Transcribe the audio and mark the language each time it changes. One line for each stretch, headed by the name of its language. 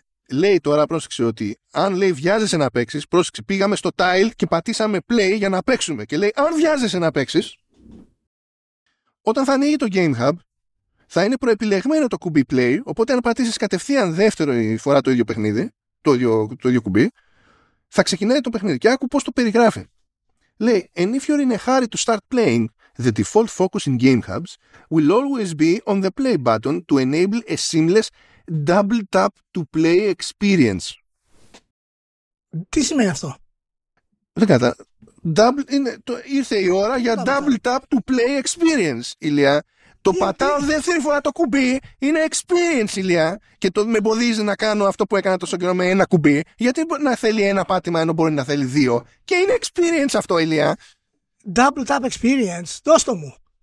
Greek: Λέει τώρα, πρόσεξε, ότι αν λέει βιάζεσαι να παίξεις, πρόσεξε, πήγαμε στο tile και πατήσαμε play για να παίξουμε. Και λέει, αν βιάζεσαι να παίξεις, όταν θα ανοίγει το Game Hub, θα είναι προεπιλεγμένο το κουμπί play, οπότε αν πατήσεις κατευθείαν δεύτερη φορά το ίδιο παιχνίδι, το ίδιο κουμπί, θα ξεκινάει το παιχνίδι. Και άκου πώς το περιγράφει. Λέει,
English: and if you're in a hurry to start playing, the default focus in Game Hubs will always be on the play button to enable a seamless double tap to play experience.
Greek: Τι σημαίνει αυτό? Δεν κατάλαβα. Ήρθε η ώρα για
English: double tap to play experience,
Greek: Ηλία. Το πατάω δεύτερη φορά το κουμπί, είναι experience, Ηλία. Και το με εμποδίζει να κάνω αυτό που έκανα τόσο καιρό με ένα κουμπί. Γιατί να θέλει ένα πάτημα ενώ μπορεί να θέλει δύο. Και είναι experience αυτό, Ηλία.
English: Double tap experience,
Greek: δώστο μου.